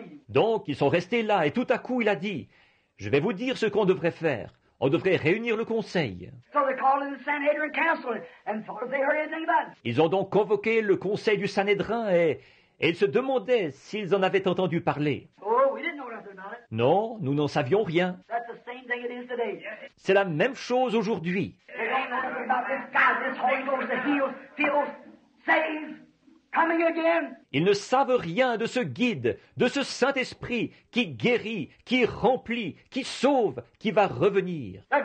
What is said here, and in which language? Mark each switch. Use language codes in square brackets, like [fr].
[fr] Donc, ils sont restés là et tout à coup, il a dit, « Je vais vous dire ce qu'on devrait faire. On devrait réunir le conseil. [en] So they called the Sanhedrin council and thought if they heard anything about it. [fr] Ils ont donc convoqué le conseil du Sanhédrin et ils se demandaient s'ils en avaient entendu parler. [en] Oh, we didn't know nothing about it. [fr] Non, nous n'en savions rien. [en] That's the same thing it is today. [fr] C'est la même chose aujourd'hui. [en] They don't know nothing about this guy, this Holy Ghost that heals, feels, saves. [fr] Ils ne savent rien de ce guide, de ce Saint-Esprit qui guérit, qui remplit, qui sauve, qui va revenir.